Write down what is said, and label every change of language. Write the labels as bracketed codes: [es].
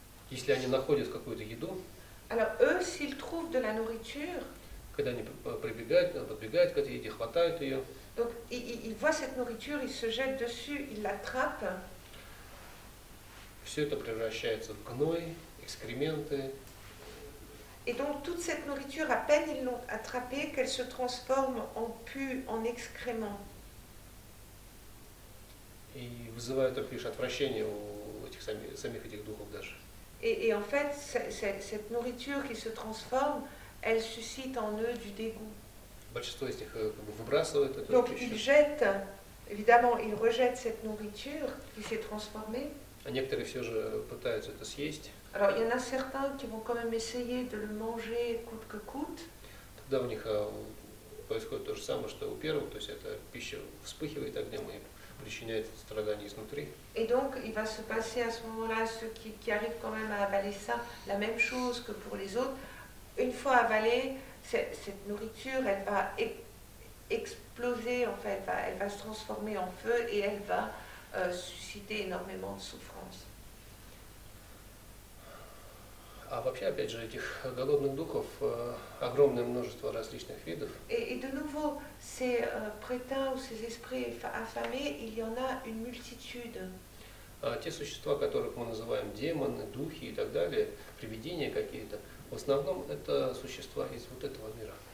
[ru] Если они находят какую-то еду, [fr] alors eux, s'ils trouvent de la nourriture, [ru] когда они подбегают к этой еде, хватают ее. [fr] Donc, ils voient cette nourriture, ils se jettent dessus, ils l'attrapent. [ru] Все это превращается в гной, экскременты. [fr] Et donc toute cette nourriture, à peine ils l'ont attrapée, qu'elle se transforme en pus, en excréments. [ru] И вызывает только лишь отвращение у этих самих этих духов даже. [fr] Et en fait, cette nourriture qui se transforme, elle suscite en eux du dégoût. [ru] Большинство из них как бы выбрасывают эту пищу. [fr] Donc ils jettent, évidemment, ils rejettent cette nourriture qui s'est transformée. [ru] А некоторые все же пытаются это съесть. [fr] Alors, il y en a certains qui vont quand même essayer de le manger coûte que coûte. [ru] Тогда у них происходит то же самое, что у первого, то есть эта пища вспыхивает огнем и причиняет страдания изнутри. [fr] Et donc, il va se passer à ce moment-là, ceux qui arrivent quand même à avaler ça, la même chose que pour les autres. Une fois avalée, cette nourriture, elle va exploser, en fait, elle va se transformer en feu et elle va susciter énormément de souffrance. [ru] А вообще, опять же, этих голодных духов огромное множество различных видов. [fr] Et de nouveau, ces prétins ou ces esprits affamés, il y en a une multitude. [ru] Те существа, которых мы называем демоны, духи и так далее, привидения какие-то, в основном это существа из вот этого мира.